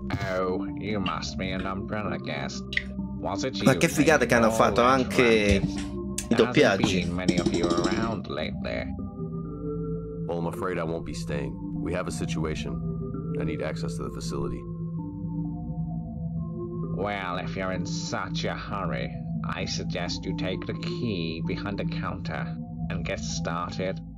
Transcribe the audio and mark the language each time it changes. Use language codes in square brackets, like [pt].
[en] Oh, you must be an umbrella guest. Was it you? [it] Ma che figata che hanno fatto anche i doppiaggi. [en] Many of you around lately. Well, I'm afraid I won't be staying. We have a situation. I need access to the facility. Well, if you're in such a hurry, I suggest you take the key behind the counter and get started.